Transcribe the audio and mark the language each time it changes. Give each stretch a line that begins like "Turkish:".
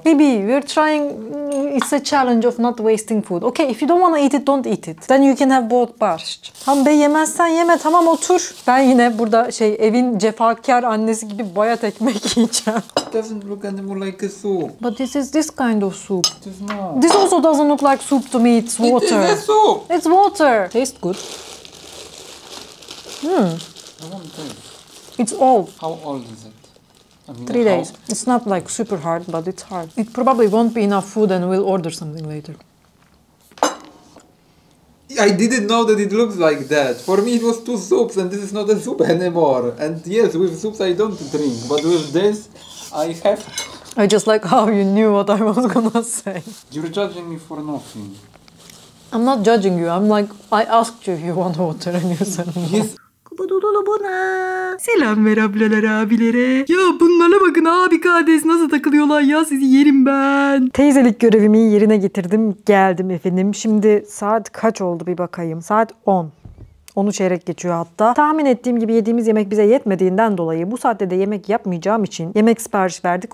English: Maybe we're trying, it's a challenge of not wasting food. Okay, if you don't want to eat it, don't eat it. Then you can have both barst.
Turkish: Tam be yemezsen yeme, tamam otur. Ben yine burada şey, evin cefakar annesi gibi bayat ekmek yiyeceğim.
English: It doesn't look anymore like a soup. But this is this kind of soup. It is not. This also doesn't look like soup to me, it's water. It is a soup. It's water. Tastes good. Hmm. I want this. It's old. How old is it? I mean, 3 days. How? It's not like super hard, but it's hard. It probably won't be enough food and we'll order something later. I didn't know that it looks like that. For me it was 2 soups and this is not a soup anymore. And yes, with soups I don't drink, but with this I have. I just like how you knew what I was gonna say. You're judging me for nothing. I'm not judging you. I'm like, I asked you if you want water and you said no. Yes.
Turkish: Selam ver ablalar abilere. Ya bunlara bakın abi kardeş nasıl takılıyorlar ya, sizi yerim ben. Teyzelik görevimi yerine getirdim. Geldim efendim. Şimdi saat kaç oldu bir bakayım. Saat 10. 10'u çeyrek geçiyor hatta. Tahmin ettiğim gibi yediğimiz yemek bize yetmediğinden dolayı bu saatte de yemek yapmayacağım için yemek sipariş verdik.